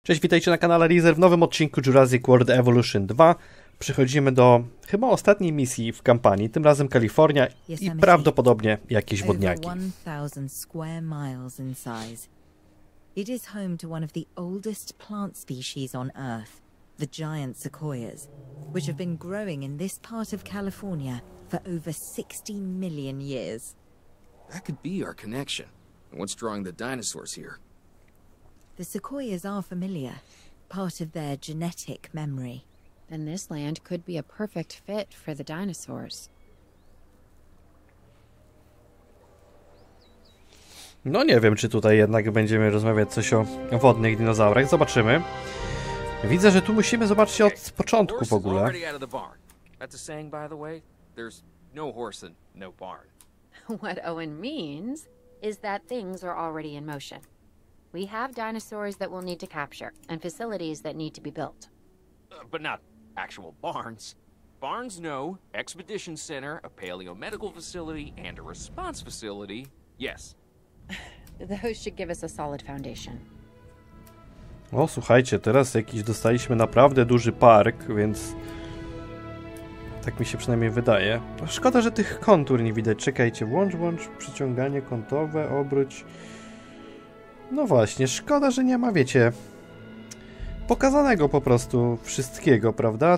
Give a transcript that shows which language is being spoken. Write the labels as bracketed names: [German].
[Polish] Cześć, witajcie na kanale Razer w nowym odcinku Jurassic World Evolution 2. Przechodzimy do chyba ostatniej misji w kampanii, tym razem Kalifornia i prawdopodobnie jakieś wodniaki. [English] Over 1000 square miles in size. It is home to one of the oldest plant species on earth, the giant sequoias, which have been growing in this part of California for over 16 million years. That could be our connection. And what's drawing the dinosaurs here? The sequoias are familiar, part of their genetic memory. Then this land could be a perfect fit for the dinosaurs. [Polish] No nie wiem, czy tutaj jednak będziemy rozmawiać coś o wodnych dinozaurach. Zobaczymy. Widzę, że tu musimy zobaczyć od początku w ogóle. [English] That's a saying, by the way. There's no horse and no barn. What Owen means is that things are already in motion. We have dinosaurs that we'll need to capture, and facilities that need to be built. But not actual barns. Barns, no. Expedition center, a paleomedical facility, and a response facility, yes. Those should give us a solid foundation. [Polish] O, słuchajcie, teraz jakiś dostaliśmy naprawdę duży park, więc... Tak mi się przynajmniej wydaje. Szkoda, że tych kontur nie widać. Czekajcie, włącz, przyciąganie kątowe, obróć... No właśnie, szkoda, że nie ma, wiecie, pokazanego po prostu wszystkiego, prawda?